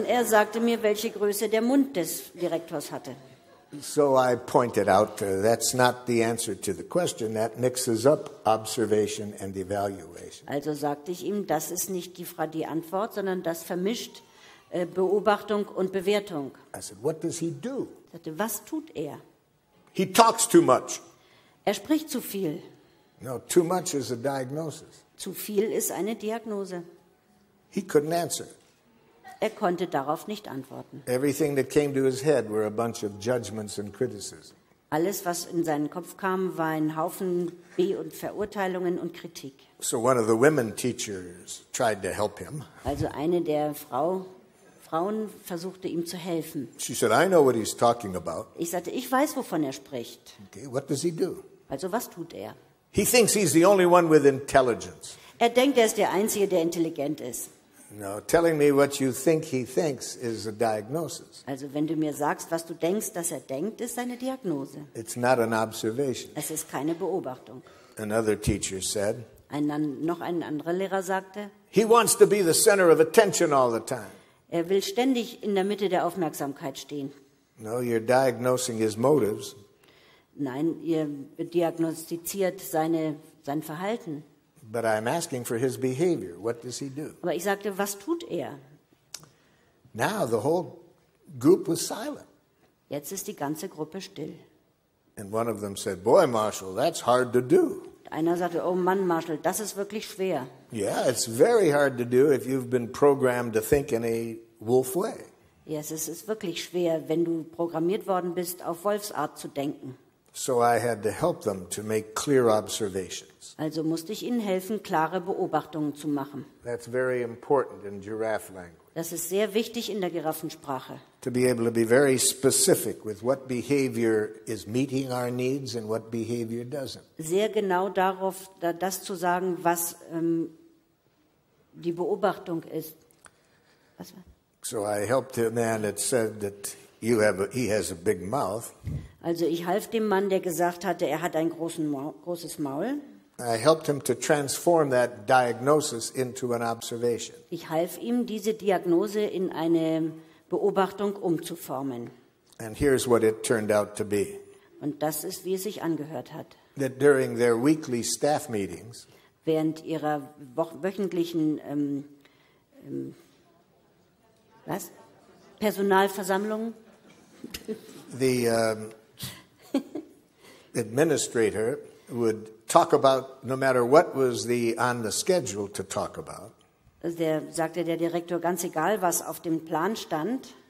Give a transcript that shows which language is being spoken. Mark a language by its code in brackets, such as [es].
[de] Und er sagte mir, welche Größe der Mund des Direktors hatte. [en] So I pointed out, that's not the answer to the question. That mixes up observation and evaluation. [de] Also sagte ich ihm, das ist nicht die Antwort, sondern das vermischt Beobachtung und Bewertung. [en] I said, what does he do? [de] Ich sagte, was tut er? [en] He talks too much. [de] Er spricht zu viel. [en] No, too much is a diagnosis. [de] Zu viel ist eine Diagnose. [en] He couldn't answer. [de] Er konnte darauf nicht antworten. [en] Everything that came to his head were a bunch of judgments and criticism. [de] Alles, was in seinen Kopf kam, war ein Haufen Be- und Verurteilungen und Kritik. [en] So one of the women teachers tried to help him. [de] Also eine der Frauen versuchte ihm zu helfen. [en] She said, I know what he's talking about. [de] Ich sagte, ich weiß, wovon er spricht. [en] Okay, what does he do? [de] Also was tut er? [en] He thinks he's the only one with intelligence. [de] Er denkt, er ist der Einzige, der intelligent ist. [en] No, telling me what you think he thinks is a diagnosis. [de] Also wenn du mir sagst, was du denkst, dass er denkt, ist eine Diagnose. [en] It's not an observation. [de] Es ist keine Beobachtung. [en] Another teacher said. [de] Ein anderer Lehrer sagte. [en] He wants to be the center of attention all the time. [de] Er will ständig in der Mitte der Aufmerksamkeit stehen. [en] No, you're diagnosing his motives. [de] Nein, ihr diagnostiziert sein Verhalten. [en] But I'm asking for his behavior. What does he do? [de] Aber ich sagte, was tut er? [en] Now the whole group was silent. [de] Jetzt ist die ganze Gruppe still. [en] And one of them said, "Boy, Marshall, that's hard to do." [de] Einer sagte, oh Mann, Marshall, das ist wirklich schwer. [en] Yeah, it's very hard to do if you've been programmed to think in a wolf way. [de] Yes, es ist wirklich schwer, wenn du programmiert worden bist, auf Wolfsart zu denken. [en] So I had to help them to make clear observations. [de] Also musste ich ihnen helfen, klare Beobachtungen zu machen. [en] That's very important in giraffe language. [de] Das ist sehr wichtig in der Giraffensprache. [en] To be able to be very specific with what behavior is meeting our needs and what behavior doesn't. [de] Sehr genau darauf, das zu sagen, was die Beobachtung ist. [en] So I helped a man that said that he has a big mouth. [de] Also ich half dem Mann, der gesagt hatte, er hat ein großes Maul. [en] I helped him to transform that diagnosis into an observation. [de] Ich half ihm, diese Diagnose in eine Beobachtung umzuformen. [en] And here's what it turned out to be. [de] Und das ist, wie es sich angehört hat. [en] That during their weekly staff meetings, [de] während ihrer wöchentlichen Personalversammlung, [en] the administrator would talk about, no matter what was on the schedule to talk about. [de] Der sagte der Direktor, ganz egal was auf dem Plan stand.